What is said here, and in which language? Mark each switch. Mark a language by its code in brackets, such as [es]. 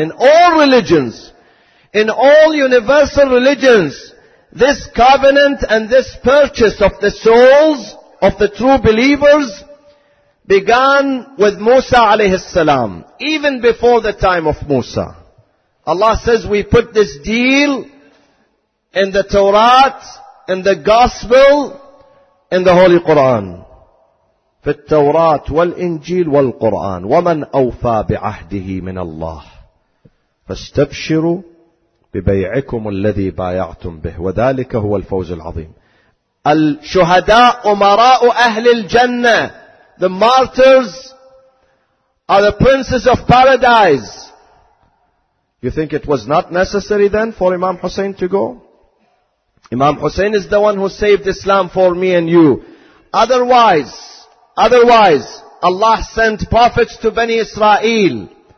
[en] In all religions, in all universal religions, this covenant and this purchase of the souls of the true believers began with Musa alayhi salam, even before the time of Musa. Allah says, we put this deal in the Torah, in the Gospel, in the Holy Quran. [ar] في التوراة والإنجيل والقرآن ومن أوفى بعهده من الله فاستبشروا ببيعكم الذي بايعتم به وذلك هو الفوز العظيم. الشهداء أمراء أهل الجنة. [en] The martyrs are the princes of paradise. You think it was not necessary then for Imam Hussein to go? Imam Hussein is the one who saved Islam for me and you. Otherwise, Allah sent prophets to Bani Israel.